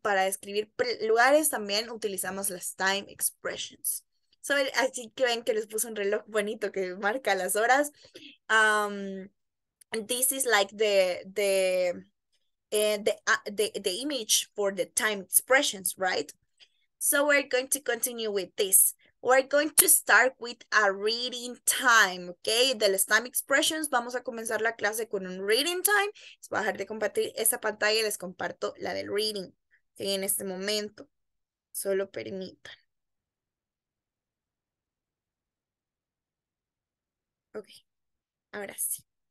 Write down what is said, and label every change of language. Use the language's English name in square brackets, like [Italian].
[Spanish] Para describir lugares también utilizamos las time expressions. So, así que ven que les puse un reloj bonito que marca las horas. [English] This is like the image for the time expressions, right? So we're going to continue with this. We're going to start with a reading time, okay? [Spanish] De las time expressions, vamos a comenzar la clase con un reading time. Les voy a dejar de compartir esa pantalla y les comparto la del reading, ¿sí? En este momento. Solo permitan. Ok, ahora sí.